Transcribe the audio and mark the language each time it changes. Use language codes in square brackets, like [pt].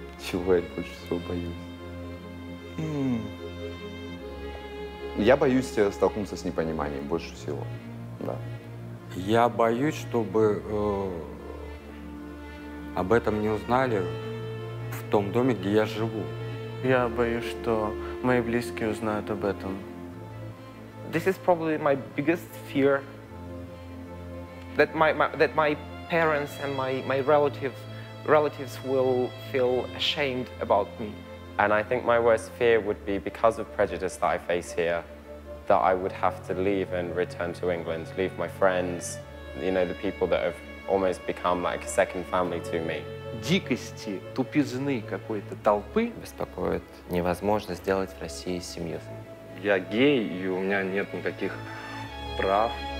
[ru] Чего я больше всего боюсь? Я боюсь столкнуться с непониманием больше всего, да. Я боюсь, чтобы об этом не узнали в том доме, где я живу. Я боюсь, что мои близкие узнают об этом. [en] This is probably my biggest fear. That my parents and my relatives will feel ashamed about me. And I think my worst fear would be because of prejudice that I face here, that I would have to leave and return to England, leave my friends, you know, the people that have almost become like a second family to me. [ru] Дикости, тупизны какой-то толпы беспокоит невозможно сделать в России семью. Я гей, и у меня нет никаких прав.